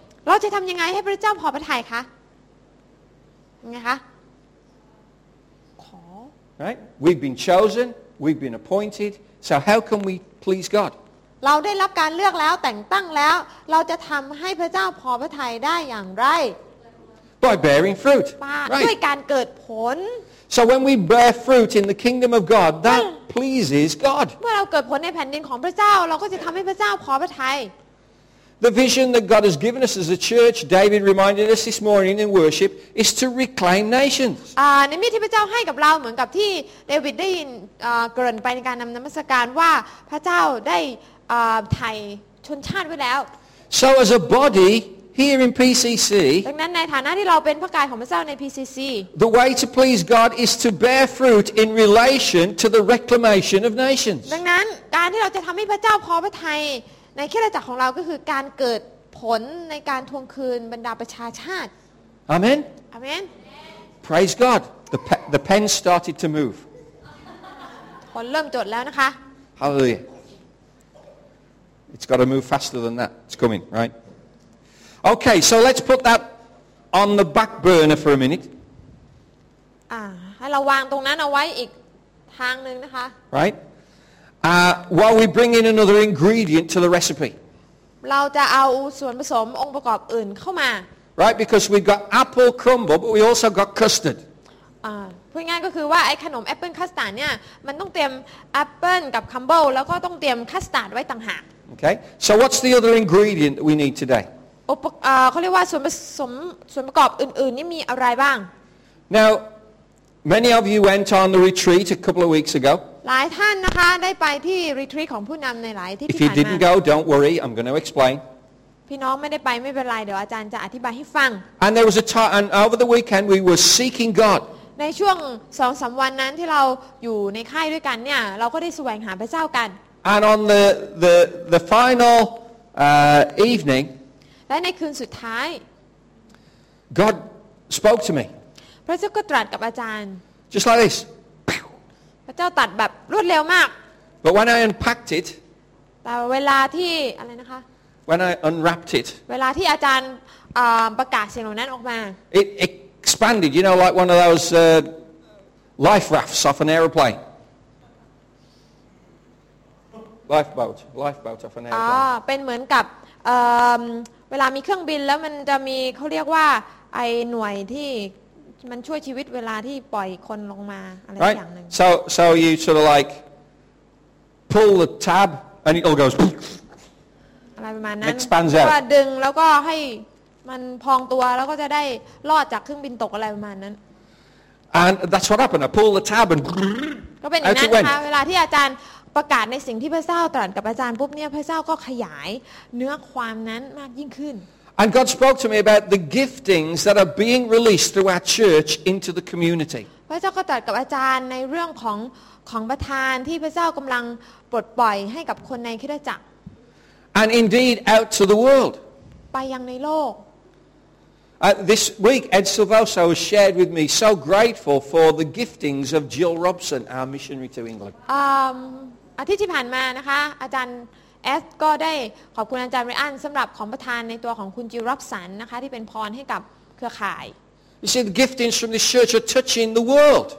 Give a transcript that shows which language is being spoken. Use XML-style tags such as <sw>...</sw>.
<th>เราจะทำยังไงให้พระเจ้าพอพระทัยคะยังไงคะ</th> <en>Right, we've been chosen, we've been appointed. So how can we please God?</en> <th>เราได้รับการเลือกแล้วแต่งตั้งแล้วเราจะทำให้พระเจ้าพอพระทัยได้อย่างไร</th> <en>By bearing fruit. Right.</en> <th>ด้วยการเกิดผล</th> <en>So when we bear fruit in the kingdom of God, that pleases God.</en> <th>เมื่อเราเกิดผลในแผ่นดินของพระเจ้าเราก็จะทำให้พระเจ้าพอพระทัย</th> <en>The vision that God has given us as a church, David reminded us this morning in worship, is to reclaim nations.</en> <th>ในมิติพระเจ้าให้กับเราเหมือนกับที่เดวิดได้ยินกล่าวไปในการนำนมัสการว่าพระเจ้าได้ไถ่ชนชาติไว้แล้ว</th> <en>So as a body here in PCC,</en> <th>ดังนั้นในฐานะที่เราเป็นพระกายของพระเจ้าใน PCC,</th> <en>the way to please God is to bear fruit in relation to the reclamation of nations.</en> <th>ดังนั้นการที่เราจะทำให้พระเจ้าพอพระทัยในเครือจักรของเราก็คือการเกิดผลในการทวงคืนบรรดาประชาชาติ</th> <en>Amen Amen Praise God the pen started to move</en> <th>คนเริ่มจดแล้วนะคะ</th> <en>Hallelujah It's got to move faster than that It's coming right Okay so let's put that on the back burner for a minute</en> <th>ให้เราวางตรงนั้นเอาไว้อีกทางนึงนะคะ</th> <en>Right while we bring in another ingredient to the recipe</en> <th>เราจะเอาส่วนผสมองค์ประกอบอื่นเข้ามา</th> <en>Right because we've got apple crumble but we also got custard</en> <th>พูดง่ายก็คือว่าไอ้ขนมแอปเปิลคัสตาร์ดเนี่ยมันต้องเตรียมแอปเปิลกับครัมเบิลแล้วก็ต้องเตรียมคัสตาร์ดไว้ต่างหาก</th> <en>Okay so what's the other ingredient that we need today</en> <th>เขาเรียกว่าส่วนประกอบอื่นๆนี่มีอะไรบ้าง</th> <en>Now many of you went on the retreat a couple of weeks ago</en> <th>หลายท่านนะคะได้ไปที่รีทรีตของผู้นำในหลายที่ที่</th> <en>If you didn't go don't worry I'm going to explain</en> <th>พี่น้องไม่ได้ไปไม่เป็นไรเดี๋ยวอาจารย์จะอธิบายให้ฟัง</th> <en>And there was a time and over the weekend we were seeking God</en> <th>ในช่วง 2-3 วันนั้นที่เราอยู่ในค่ายด้วยกันเนี่ยเราก็ได้แสวงหาพระเจ้ากัน</th> <en>And on the final evening</en> <th>และในคืนสุดท้าย</th> <en>God spoke to me</en> <th>พระเจ้าก็ตรัสกับอาจารย์</th> <en>Just like this</en> <th>พระเจ้าตรัสแบบรวดเร็วมาก</th> <en>But when I unpacked it</en> <th>แต่เวลาที่อะไรนะคะ</th> <en>When I unwrapped it,</en> <th>เวลาที่อาจารย์ประกาศสิ่งเหล่านั้นออกมา</th> <en>it expanded, you know, like one of those life rafts off an aeroplane. Lifeboat off an aeroplane.</en> <th>เป็นเหมือนกับเวลามีเครื่องบินแล้วมันจะมีเขาเรียกว่าไอหน่วยที่มันช่วยชีวิตเวลาที่ปล่อยคนลงมาอะไรอย่างนึ ง</th> <en>So you sort of like pull the tab and it all goes.</en> <th>อะไรประมาณนั้ นว่าดึงแล้วก็ให้มันพองตัวแล้วก็จะได้รอดจากเครื่องบินตกอะไรประมาณนั้น</th> <en>And that's what happened I pulled the tab and</en> <th>ก็เป็นอย่างนั้นนะคะเวลาที่อาจารย์ประกาศในสิ่งที่พระเจ้าตรัสกับอาจารย์ปุ๊บเนี่ยพระเจ้าก็ขยายเนื้อความนั้นมากยิ่งขึ้น</th> <en>And God spoke to me about the giftings that are being released through our church into the community</en> <th>พระเจ้าก็ตรัสกับอาจารย์ในเรื่องของประทานที่พระเจ้ากำลังปลดปล่อยให้กับคนในคริสตจักร</th> <en>And indeed, out to the world.</en> <th>ไปยังในโลก</th> <en>This week, Ed Silvoso has shared with me so grateful for the giftings of Jill Robson, our missionary to England.</en> <th>อาทิตย์ที่ผ่านมานะคะอาจารย์เอสก็ได้ขอบคุณอาจารย์ริอันสำหรับของประทานในตัวของคุณจิลรอบสันนะคะที่เป็นพรให้กับเครือข่าย</th> <en>You see, the giftings from this church are touching the world.</en>